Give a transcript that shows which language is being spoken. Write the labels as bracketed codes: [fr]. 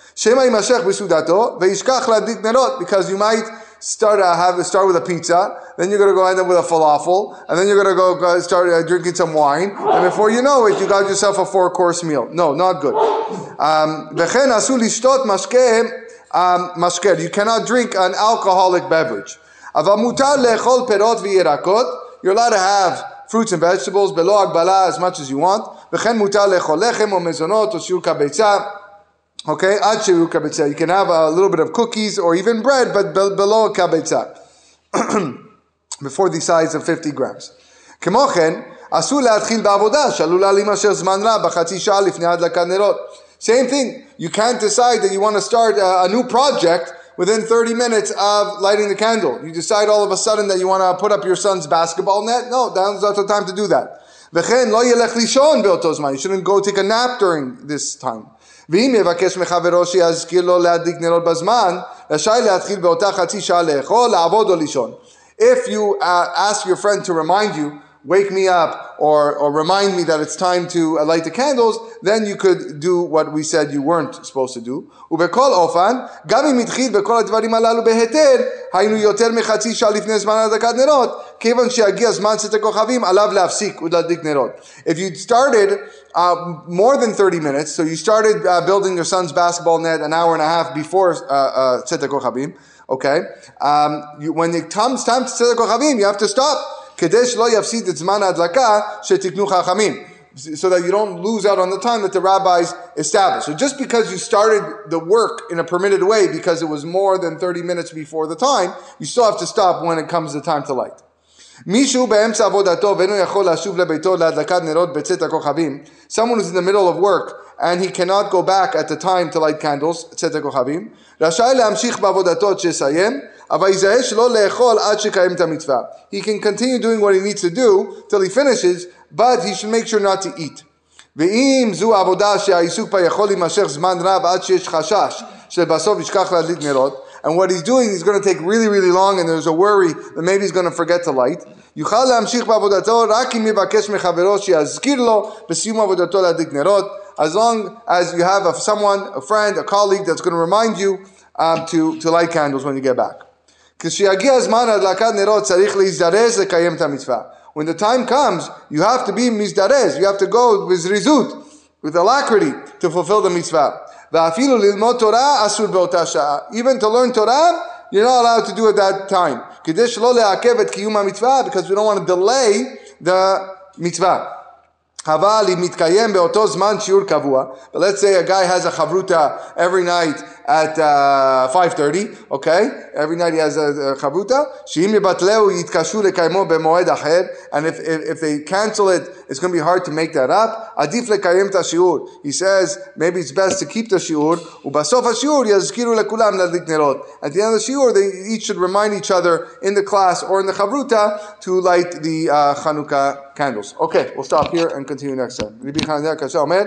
[he] Shema yimashech b'sudato ve'yishkach la'adlik nerot, [en] because you might start with a pizza, then you're going to go end up with a falafel, and then you're going to go start drinking some wine, and before you know it, you got yourself a four-course meal. No, not good. [he] V'chein asu lishtot masker. [en] You cannot drink an alcoholic beverage. [he] Aval mutar lechol perot v'yirakot. [en] You're allowed to have fruits and vegetables, [he] belo agbala, [en] as much as you want. [he] וכן מותר לאכול לחם או מזונות או שיעור כביצה. Okay, עד שיעור כביצה. [en] You can have a little bit of cookies or even bread, but below a כביצה. Before the size of 50 grams. [he] כמו כן, אסור להתחיל בעבודה שעלולה להימשך זמן רב בחצי שעה לפני הדלקת נרות. [en] Same thing, you can't decide that you want to start a new project within 30 minutes of lighting the candle. You decide all of a sudden that you want to put up your son's basketball net. No, that's not the time to do that. [he] וכן, לא ילך לישון באותו זמן. [en] You shouldn't go take a nap during this time. [he] ואם יבקש מחברו שיזכיר לו להדליק נרות בזמן, רשאי להתחיל באותה חצי שעה לאכול, לעבוד או לישון. [en] If you ask your friend to remind you, wake me up, or remind me that it's time to light the candles, then you could do what we said you weren't supposed to do. [he] ובכל אופן, גם אם התחיל בכל הדברים הללו בהתר, היינו יותר מחצי שעה לפני זמן הדלקת נרות, כיוון שיגיע זמן צאת הכוכבים, עליו להפסיק ולהדליק נרות. [en] If you started more than 30 minutes, so you started building your son's basketball net an hour and a half before צאת הכוכבים, okay? When it comes time to צאת הכוכבים, you have to stop. [he] כדי שלא יפסיד את זמן ההדלקה שתקנו חכמים. [en] So that you don't lose out on the time that the rabbis established. So just because you started the work in a permitted way because it was more than 30 minutes before the time, you still have to stop when it comes the time to light. [he] מישהו באמצע עבודתו ואינו יכול לשוב לביתו להדלקת נרות בצאת הכוכבים. [en] Someone who's in the middle of work and he cannot go back at the time to light candles, צאת הכוכבים. [he] רשאי להמשיך בעבודתו שסיים. [en] He can continue doing what he needs to do till he finishes, but he should make sure not to eat. [he] ואם זו עבודה שהעיסוק בה יכול להימשך זמן רב עד שיש חשש שבסוף ישכח להדליק נרות, [en] and what he's doing is going to take really, really long, and there's a worry that maybe he's going to forget to light, [he] יוכל להמשיך בעבודתו רק אם יבקש מחברו שיזכיר לו בסיום עבודתו להדליק נרות, [en] as long as you have someone, a friend, a colleague that's going to remind you to light candles when you get back. [he] כשיגיע הזמן להדלקת נרות צריך להזדרז לקיים את המצווה. [en] When the time comes, you have to be מזדרז, you have to go with zrizut, with alacrity, to fulfill the mitzvah. [he] ואפילו ללמוד תורה אסור באותה שעה. [en] Even to learn Torah, you're not allowed to do at that time. [he] כדי שלא לעכב את קיום המצווה, [en] because we don't want to delay the mitzvah. [he] אבל אם מתקיים באותו זמן שיעור קבוע, [en] but let's say a guy has a chavruta every night at 5:30, okay? Every night he has a chavruta, [he] שאם יבטלו יתקשו לקיימו במועד אחר, [en] and if they cancel it, it's going to be hard to make that up, [he] עדיף לקיים את השיעור. [en] He says, maybe it's best to keep the שיעור, [he] ובסוף השיעור יזכירו לכולם להדליק נרות. [en] At the end of the שיעור, they each should remind each other in the class or in the chavruta to light the Chanukah candles. Okay, we'll stop here and continue next time.